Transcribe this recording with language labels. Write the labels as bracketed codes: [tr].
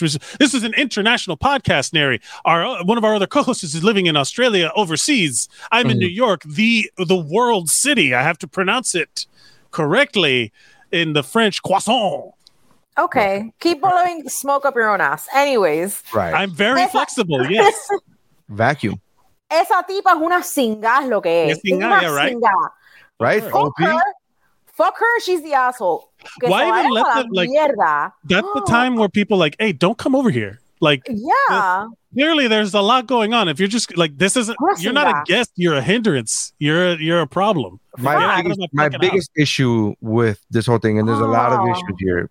[en] This is an international podcast, Neri. One of our other co-hosts is living in Australia, overseas. I'm in New York, the world city. I have to pronounce it correctly in the French, croissant. Okay, keep blowing smoke up your own ass. Anyways. Right. I'm very flexible, yes. Vacuum. [es] Esa tipa es una singa, es lo que es. Es singa, una [en] right? Singa. Right? Fuck her, she's the asshole. Why even let them, like, mierda. That's the time where people like, hey, don't come over here. Like, yeah. Clearly there's a lot going on. If you're just like, this isn't, you're not a guest, you're a hindrance. You're a problem. My biggest issue with this whole thing, and there's a lot of issues here.